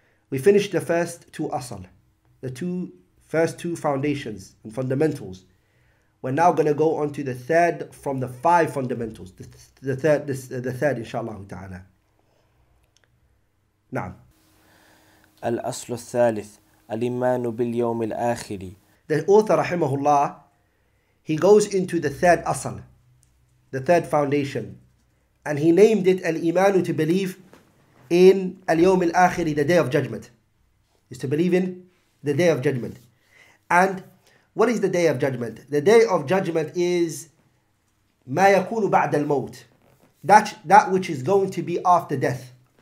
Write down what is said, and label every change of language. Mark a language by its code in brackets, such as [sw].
[en] We finished the first two أصل, the first two foundations and fundamentals. We're now going to go on to the third from the five fundamentals, the third inshallah ta'ala. [ar] نعم. الأصل الثالث الإيمان باليوم الآخر. [en] The author [ar] رحمه الله, [en] he goes into the third أصل, the third foundation, and he named it الإيمان, to believe in اليوم الآخر, the day of judgment, is to believe in the day of judgment. And what is the day of judgment? The day of judgment is [ar] ما يكون بعد الموت, [en] that which is going to be after death.